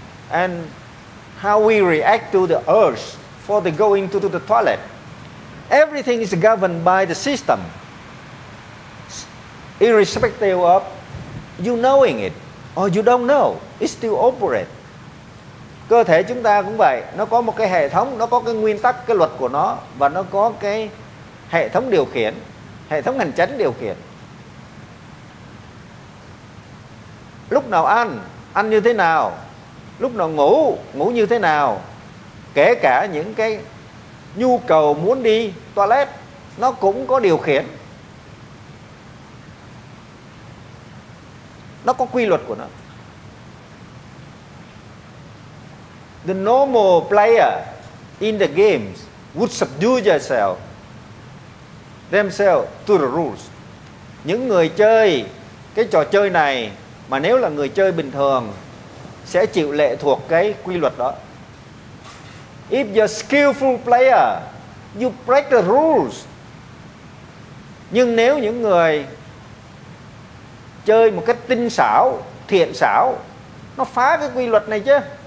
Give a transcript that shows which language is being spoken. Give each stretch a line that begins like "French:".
English: And how we react to the urge for the going to the toilet? Everything is governed by the system, irrespective of you knowing it or you don't know, it still operates.
Vietnamese: Cơ thể chúng ta cũng vậy, nó có một cái hệ thống, nó có cái nguyên tắc, cái luật của nó, và nó có cái hệ thống điều khiển, hệ thống hành chính điều khiển. Lúc nào ăn, ăn như thế nào, lúc nào ngủ, ngủ như thế nào, kể cả những cái nhu cầu muốn đi toilet, nó cũng có điều khiển. Nó có quy luật của nó.
English: The normal player in the games would subdue themselves to the rules.
Vietnamese: Những người chơi cái trò chơi này, mà nếu là người chơi bình thường, sẽ chịu lệ thuộc cái quy luật đó.
English: If you're a skillful player, you break the rules.
Vietnamese: Nhưng nếu những người chơi một cách tinh xảo, thiện xảo, nó phá cái quy luật này chứ.